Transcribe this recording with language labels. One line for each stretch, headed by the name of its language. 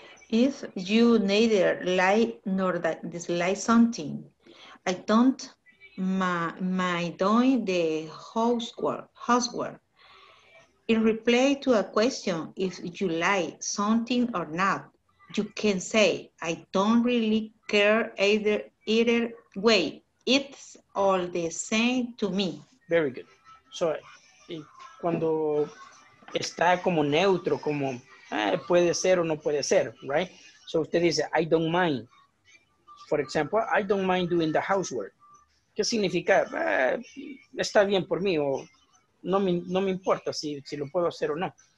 English: If you neither like nor dislike something, I don't mind doing the housework. In reply to a question, if you like something or not, you can say, I don't really care either way. It's all the same to me. Very good.
Spanish: So, cuando está como neutro, como puede ser o no puede ser, right? So usted dice,
English: I don't mind. For example, I don't mind doing the housework.
Spanish: ¿Qué significa? Está bien por mí o no me importa si lo puedo hacer o no.